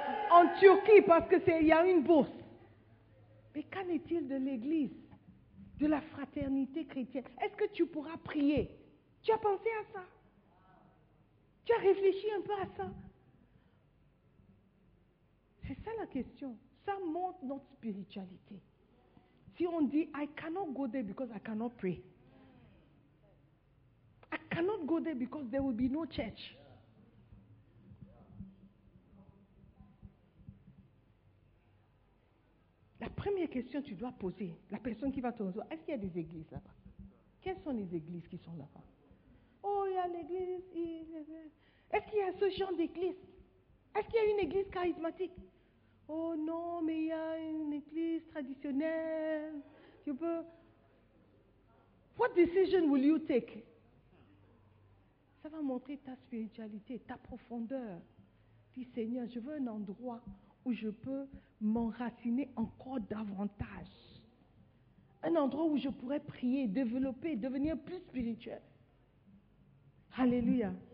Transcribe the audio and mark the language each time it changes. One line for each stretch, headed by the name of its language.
French: En Turquie, parce qu'il y a une bourse. Mais qu'en est-il de l'église? De la fraternité chrétienne? Est-ce que tu pourras prier? Tu as pensé à ça? Tu as réfléchi un peu à ça? C'est ça la question. Ça montre notre spiritualité. Si on dit,
English: I cannot go there because I cannot pray. I cannot go there because there will be no church.
French: La première question que tu dois poser, la personne qui va te répondre, est-ce qu'il y a des églises là-bas? Quelles sont les églises qui sont là-bas? Oh, il y a l'église. Est-ce qu'il y a ce genre d'église? Est-ce qu'il y a une église charismatique? Oh non, mais il y a une église traditionnelle. Tu peux...
English: What decision will you take?
French: Ça va montrer ta spiritualité, ta profondeur. Dis, Seigneur, je veux un endroit où je peux m'enraciner encore davantage. Un endroit où je pourrais prier, développer, devenir plus spirituel. Alléluia.